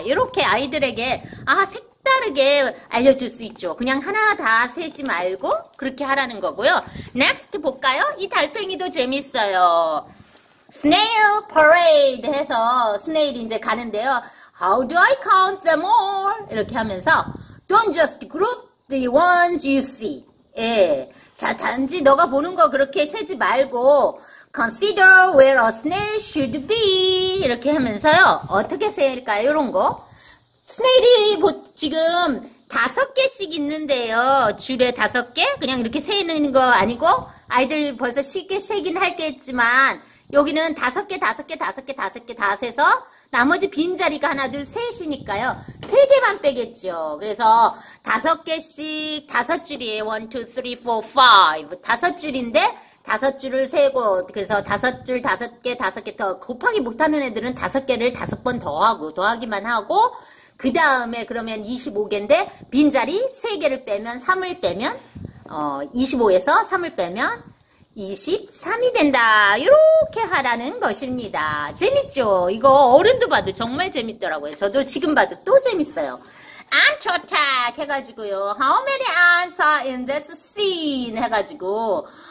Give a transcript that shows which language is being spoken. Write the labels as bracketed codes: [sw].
[ko] 이렇게 아이들에게 색다르게 알려줄 수 있죠. 그냥 하나 다 세지 말고 그렇게 하라는 거고요. Next 볼까요? 이 달팽이도 재밌어요. Snail Parade 해서 스네일이 이제 가는데요. [en] How do I count them all? [ko] 이렇게 하면서 [en] Don't just group the ones you see. [ko] 예. 자, 단지 너가 보는 거 그렇게 세지 말고 [en] Consider where a snail should be. [ko] 이렇게 하면서요. 어떻게 셀까요? 이런 거. 스네일이 지금 5개씩 있는데요. 줄에 5개? 그냥 이렇게 세는 거 아니고 아이들 벌써 쉽게 세긴 할겠지만 여기는 5개 다 세서 나머지 빈자리가 하나, 둘, 셋이니까요. 세 개만 빼겠죠. 그래서 5개씩 5줄이에요. 1, 2, 3, 4, 5. 5줄을 세고 그래서 5줄 5개 더 곱하기 못하는 애들은 5개를 5번 더하기만 하고 그 다음에 그러면 25개인데 빈자리 3개를 빼면 3을 빼면 25에서 3을 빼면 23이 된다. 이렇게 하라는 것입니다. 재밌죠? 이거 어른도 봐도 정말 재밌더라고요. 저도 지금 봐도 또 재밌어요. [en] Ant attack [ko] 해가지고요. [en] How many ants are in this scene? [ko] 해가지고